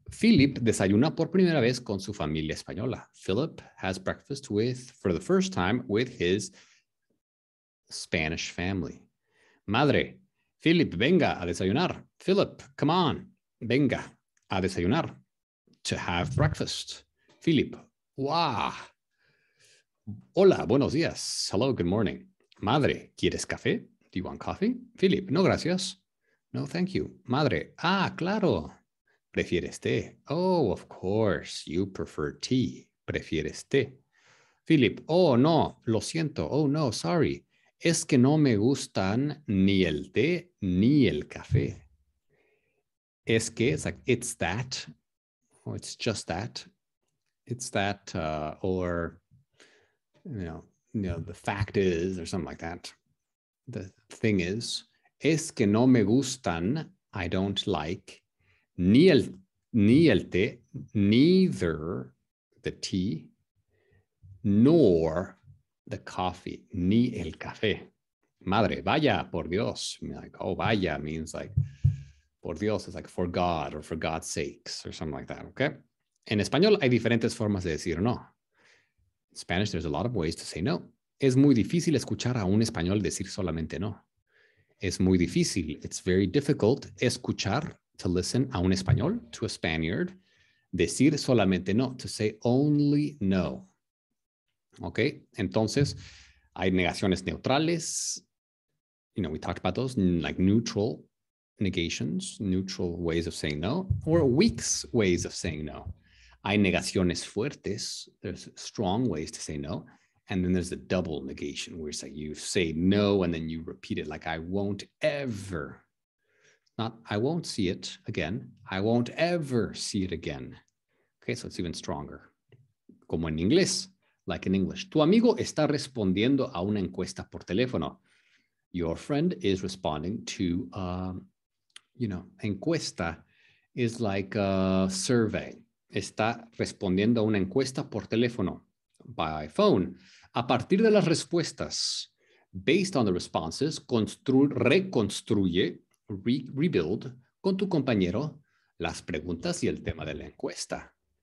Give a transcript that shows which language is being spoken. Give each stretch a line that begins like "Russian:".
Spanish: Philip desayuna por primera vez con su familia española.
English: Philip has breakfast for the first time with his Spanish family.
Spanish: Madre. Philip, venga a desayunar. Philip,
English: come on.
Spanish: Venga a desayunar.
English: To have breakfast.
Spanish: Philip, wow. Hola, buenos días.
English: Hello, good morning. Madre,
Spanish: ¿quieres café?
English: Do you want coffee? Philip,
Spanish: no gracias.
English: No, thank you.
Spanish: Madre, ah, claro. ¿Prefieres té?
English: Oh, of course, you prefer tea.
Spanish: ¿Prefieres té? Philip, oh, no, lo siento.
English: Oh, no, sorry.
Spanish: Es que no me gustan ni el té ni el café. Es que,
English: it's like, it's that, or it's just that. It's that, or, you know, the fact is, or something like that. The thing is,
Spanish: es que no me gustan,
English: I don't like,
Spanish: ni el té,
English: neither the tea, nor the coffee,
Spanish: ni el café. Madre, vaya, por Dios.
English: Like, oh,
Spanish: vaya
English: means like,
Spanish: por Dios,
English: it's like for God or for God's sakes or something like that, okay?
Spanish: En español hay diferentes formas de decir no.
English: In Spanish, there's a lot of ways to say no.
Spanish: Es muy difícil escuchar a un español decir solamente no. Es muy difícil,
English: it's very difficult
Spanish: escuchar,
English: to listen
Spanish: a un español,
English: to a Spaniard,
Spanish: decir solamente no,
English: to say only no.
Spanish: Ok, entonces hay negaciones neutrales,
English: you know, we talked about those, like neutral negations, neutral ways of saying no, or weak ways of saying no.
Spanish: Hay negaciones fuertes,
English: there's strong ways to say no, and then there's the double negation, where it's like you say no and then you repeat it, like I won't ever, not I won't see it again, I won't ever see it again. Ok, so it's even stronger.
Spanish: Como en inglés.
English: like in English.
Spanish: Tu amigo está respondiendo a una encuesta por teléfono.
English: Your friend is responding to, you know, encuesta is like a survey.
Spanish: Está respondiendo a una encuesta por teléfono,
English: by phone.
Spanish: A partir de las respuestas,
English: based on the responses, rebuild
Spanish: con tu compañero las preguntas y el tema de la encuesta.